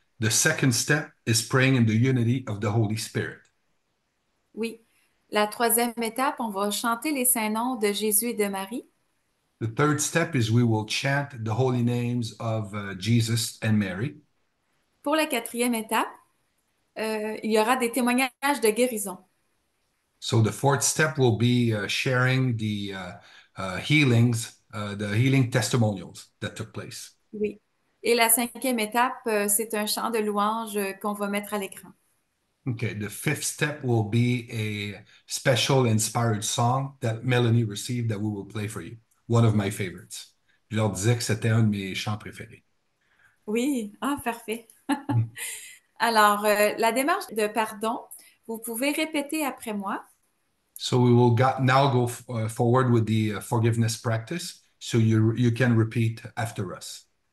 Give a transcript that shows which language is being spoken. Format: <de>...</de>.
<en>The second step is praying in the unity of the Holy Spirit.</en> <fr>Oui. La troisième étape, on va chanter les saints noms de Jésus et de Marie.</fr> <en>The third step is we will chant the holy names of Jesus and Mary.</en> <fr>Pour la quatrième étape, il y aura des témoignages de guérison.</fr> <en>So the fourth step will be sharing the healings, the healing testimonials that took place.</en> <fr>Oui. Et la cinquième étape, c'est un chant de louange qu'on va mettre à l'écran.</fr> <en>Okay, the fifth step will be a special inspired song that Melanie received that we will play for you. One of my favorites.</en> <fr>Je leur disais que c'était un de mes chants préférés. Oui, ah, parfait. Alors, la démarche de pardon, vous pouvez répéter après moi.</fr> <en>So we will now go forward with the forgiveness practice so you can repeat after us.</en>